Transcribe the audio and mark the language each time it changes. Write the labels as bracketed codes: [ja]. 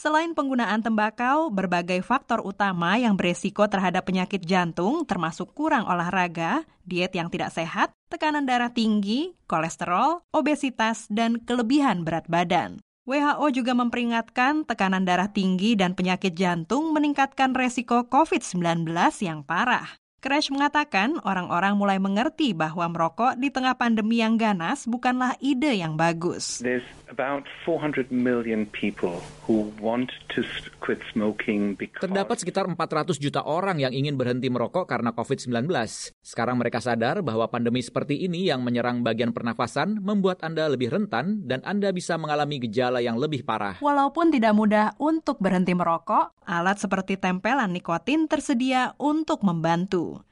[id] Selain penggunaan tembakau, berbagai faktor utama yang beresiko terhadap penyakit jantung termasuk kurang olahraga, diet yang tidak sehat, tekanan darah tinggi, kolesterol, obesitas, dan kelebihan berat badan. WHO juga memperingatkan tekanan darah tinggi dan penyakit jantung meningkatkan resiko COVID-19 yang parah. Crash mengatakan orang-orang mulai mengerti bahwa merokok di tengah pandemi yang ganas bukanlah ide yang bagus. [en] There's about 400 million people who want to quit smoking because... [id] Terdapat sekitar 400 juta orang yang ingin berhenti merokok karena COVID-19. Sekarang mereka sadar bahwa pandemi seperti ini yang menyerang bagian pernafasan membuat Anda lebih rentan dan Anda bisa mengalami gejala yang lebih parah. Walaupun tidak mudah untuk berhenti merokok, alat seperti tempelan nikotin tersedia untuk membantu.